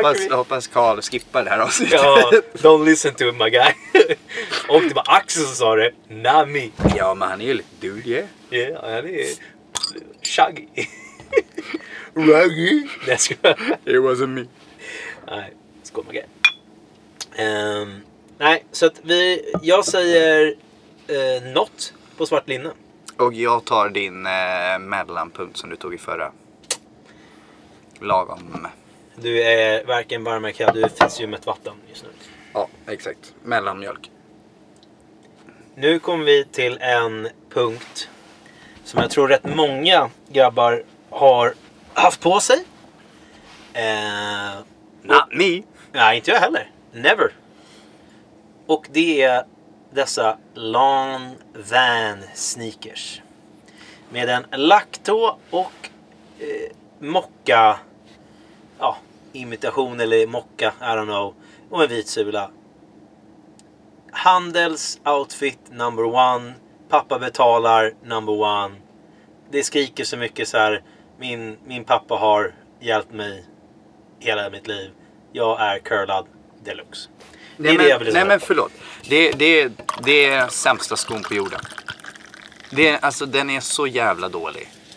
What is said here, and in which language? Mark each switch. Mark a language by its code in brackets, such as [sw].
[sv] hoppas Carl skippar det här avsnittet. [en] Ja, don't listen to him, my guy. [sv] Och det var Axel som sa det, [en] not me. [sv] Ja, men han är ju lite dude, [en] yeah. [sv] Ja, han är shaggy. Raggy? Nej, ska [en] jag. It wasn't me. [sv] Nej, skål, [en] my guy. [sv] Nej, så att jag säger not på svart linne. Och jag tar din mellanpunkt som du tog i förra. Lagom. Du är varken varm eller kall, du finns ju med vatten just nu. Ja, exakt. Mellanmjölk. Nu kommer vi till en punkt som jag tror rätt många grabbar har haft på sig. [en] Not me. [sv] Nej, inte jag heller. Never. Och det är dessa Long Van sneakers. Med en laktå och mocka... Ja, imitation eller mocka, [en] I don't know. [sv] Och en vit sula. Handels outfit [en] number one. [sv] Pappa betalar [en] number one. [sv] Det skriker så mycket så här. Min pappa har hjälpt mig hela mitt liv. Jag är curlad deluxe. Nej, förlåt. Det är sämsta skon på jorden. Alltså, den är så jävla dålig.